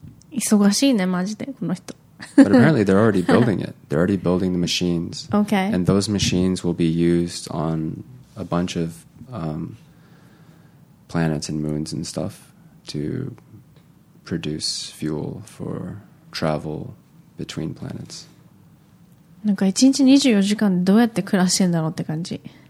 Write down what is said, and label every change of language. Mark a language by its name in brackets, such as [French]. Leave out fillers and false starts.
[Japanese] 忙しいね、マジで、この人。 [English] But apparently they're already building it. They're already building the machines. Okay. And those machines will be used on a bunch of planets and moons and stuff to produce fuel for travel between planets. [Japanese] なんか一日24時間どうやって暮らしてんだろうって感じ。